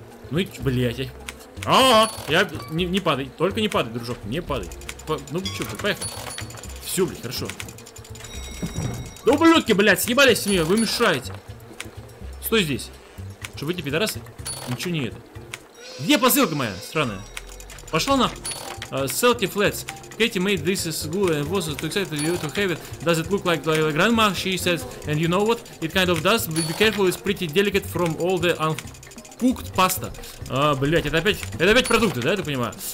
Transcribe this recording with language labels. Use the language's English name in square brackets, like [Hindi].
[Russian] Ну и, блядь, я... Я не падай. Только не падай, дружок. Не падай. Ну что, поехали. Все, блядь, хорошо. Да ублюдки, блядь, съебались с меня, вы мешаете. Стой здесь. Чтобы эти пидорасы ничего не это. Где посылка моя странная? Пошла на Селки Флетс. [English] Katie made this is good and was too excited to have it. Does it look like grandma? She says, and you know what? It kind of does. Be careful, it's pretty delicate from all the uncooked pasta. [Russian] Блять, это опять продукты, да, я так понимаю?